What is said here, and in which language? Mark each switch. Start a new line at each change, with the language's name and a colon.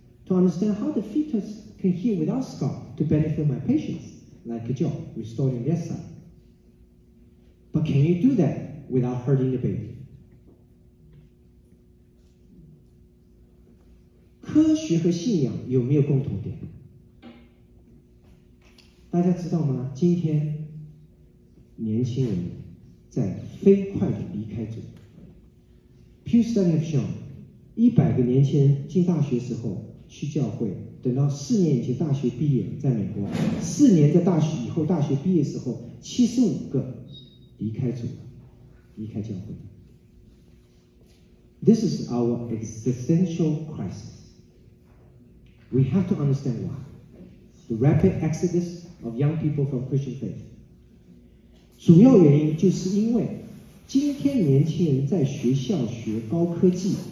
English: To understand how the fetus can heal without scar to benefit my patients, like a job restoring their sight. But can you do that without hurting the baby?
Chinese: 科学和信仰有没有共同点？大家知道吗？今天年轻人在飞快地离开中。
English: Pew study has shown,
Chinese: 100个年轻人进大学时候。去教会，等到四年以前大学毕业，在美国，四年在大学以后大学毕业时候，75个离开主，离开教会。
English: This is our existential crisis. We have to understand why the rapid exodus of young people from Christian faith.
Chinese: 主要原因就是因为今天年轻人在学校学高科技。